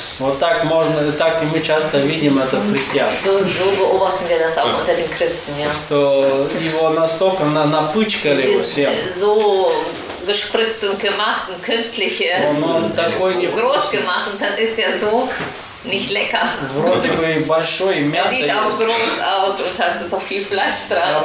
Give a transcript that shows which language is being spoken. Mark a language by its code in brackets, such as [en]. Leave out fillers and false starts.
[ru] Вот так можно, так и мы часто видим это в христианстве. [de] So beobachten wir das auch unter den Christen, ja. [ru] Что его настолько напычкали всем. [de] So gespritzt und gemacht und künstlich groß gemacht und dann ist er so nicht lecker. [ru] Вроде бы большой, мясо. [de] Sieht auch groß aus und hat so viel Fleisch dran.